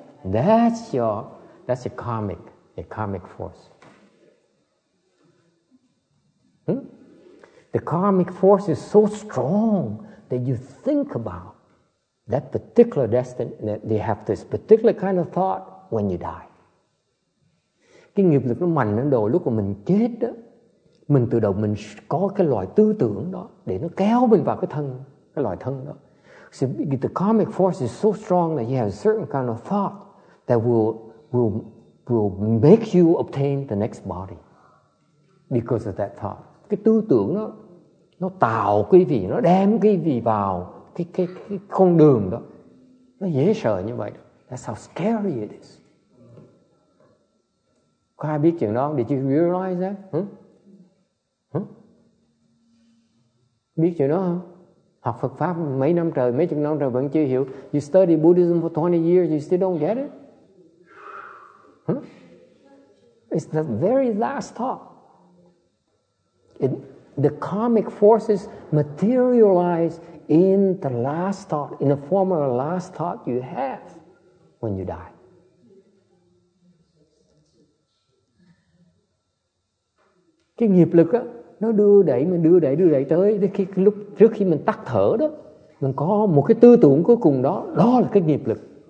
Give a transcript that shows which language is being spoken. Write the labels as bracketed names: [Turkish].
[English] That's your karmic, your karmic force. The karmic force is so strong that you think about that particular destiny, that they have this particular kind of thought when you die. [Vietnamese] Cái nghiệp lực nó mạnh đến độ lúc mà mình chết đó, mình tự động mình có cái loại tư tưởng đó để nó kéo mình vào cái thân, cái loại thân đó. [English] So the karmic force is so strong that you have a certain kind of thought that will make you obtain the next body because of that thought. [Vietnamese] Cái tư tưởng đó, nó tạo quý vị, nó đem quý vị vào cái con đường đó. Nó dễ sợ như vậy. [English] That's how scary it is. [Vietnamese] Có ai biết chuyện đó? [English] Did you realize that? [Vietnamese] Biết chuyện đó không? Học Phật Pháp mấy năm trời, mấy chục năm trời vẫn chưa hiểu. [English] You study Buddhism for 20 years, you still don't get it? It's the very last thought. The karmic forces materialize in the last thought, in the form of the last thought you have when you die. [Vietnamese] Cái nghiệp lực á, nó đưa đẩy tới đến khi lúc trước khi mình tắt thở đó, mình có một cái tư tưởng cuối cùng đó, đó là cái nghiệp lực.